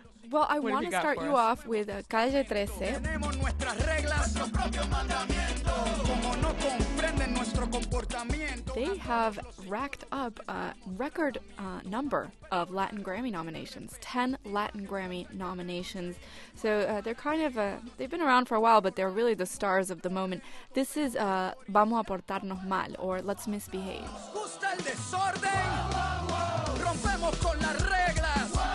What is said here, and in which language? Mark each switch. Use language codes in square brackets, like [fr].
[en] Well, I want to start you off with Calle 13. [es] Tenemos nuestras reglas, nuestros propios mandamientos. Como no comprenden nuestro comportamiento. [en] They have racked up a record number of Latin Grammy nominations, 10 Latin Grammy nominations. So they're kind of, they've been around for a while, but they're really the stars of the moment. This is Vamos a Portarnos Mal, or Let's Misbehave. [es] Justa el desorden, rompemos con las reglas.